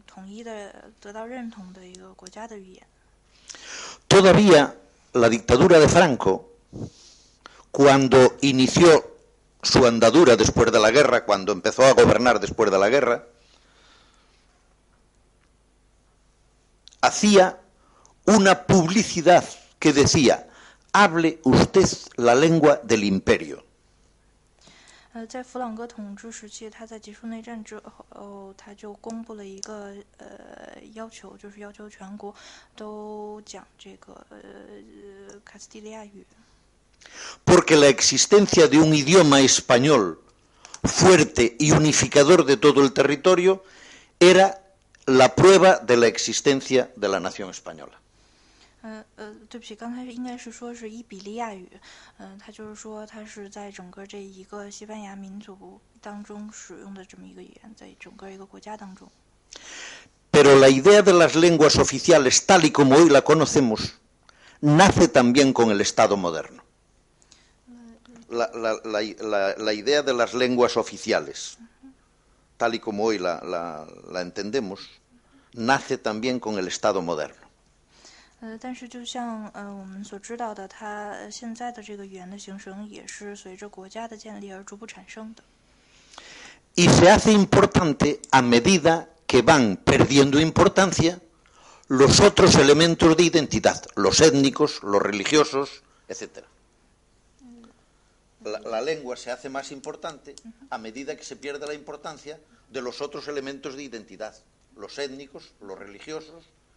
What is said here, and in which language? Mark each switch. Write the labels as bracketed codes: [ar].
[zh] 但是这其实是一个国家的一种强制性的作用吧，他们是为了减少这种语言的差异，然后形成一种统一的得到认同的一个国家的语言。 [es] Todavía la dictadura de Franco, cuando inició su andadura después de la guerra, cuando empezó a gobernar después de la guerra, hacía una publicidad que decía: hable usted la lengua del imperio. [zh] 在弗朗哥统治时期，他在结束内战之后，他就公布了一个要求，就是要求全国都讲这个卡斯蒂利亚语。 [es] Porque la existencia de un idioma español fuerte y unificador de todo el territorio era la prueba de la existencia de la nación española. [zh] 对不起，刚才应该是说是伊比利亚语，他就是说他是在整个这一个西班牙民族当中使用的这么一个语言，在整个一个国家当中。 [es] Pero la idea de las lenguas oficiales tal y como hoy la conocemos nace también con el Estado moderno. La idea de las lenguas oficiales tal y como hoy la entendemos nace también con el Estado moderno. [zh] 但是就像我们所知道的，它现在的这个语言的形成也是随着国家的建立而逐步产生的。 [es] Y se hace importante a medida que van perdiendo importancia los otros elementos de identidad, los étnicos, los religiosos, etc. La lengua se hace más importante a medida que se pierde la importancia de los otros elementos de identidad, los étnicos, los religiosos.